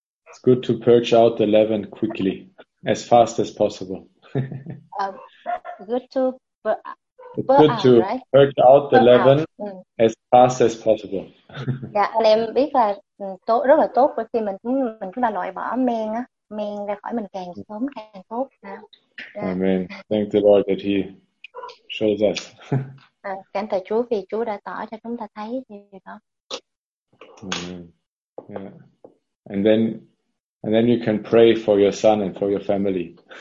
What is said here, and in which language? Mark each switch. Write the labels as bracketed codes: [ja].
[en] It's good to purge out the leaven quickly, as fast as possible. good to purge out the leaven as fast as possible. [vi] Yeah, anh em biết là tốt, rất là tốt khi mình chúng ta loại bỏ men á, men ra khỏi mình càng sớm càng tốt. [en] Amen. Thank the Lord that He shows us. [vi] Cảm tạ Chúa vì Chúa đã tỏ cho chúng ta thấy điều đó. [en] Amen. Yeah. And then you can pray for your son and for your family.